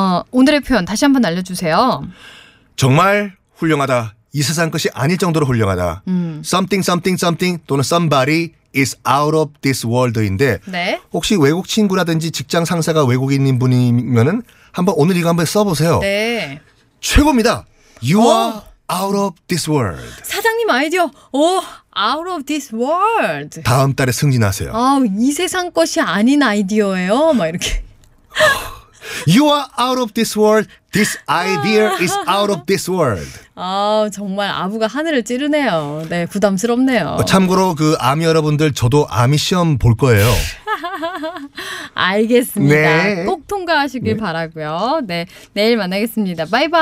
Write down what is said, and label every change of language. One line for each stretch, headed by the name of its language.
Korean: 오늘의 표현 다시 한번 알려주세요. 정말 훌륭하다. 이 세상 것이 아닐 정도로 훌륭하다.
English: Something, something, something
Korean: 또는
English: somebody is out of this world
Korean: 인데 네? 혹시 외국 친구라든지 직장 상사가 외국인인 분이면은 한번 오늘 이거 한번 써보세요. 네. 최고입니다.
English: You are out of this world.
Korean: 사장님 아이디어. 오,
English: out of this world.
Korean: 다음 달에 승진하세요. 아, 이 세상 것이 아닌 아이디어예요. 막 이렇게.
English: You are out of this world. This idea is out of this world.
Korean: 아, 정말 아부가 하늘을 찌르네요. 네, 부담스럽네요. 참고로 그 아미 여러분들 저도 아미 시험 볼 거예요. 알겠습니다. 네. 꼭 통과하시길 네. 바라고요. 네, 내일 만나겠습니다. 바이바이.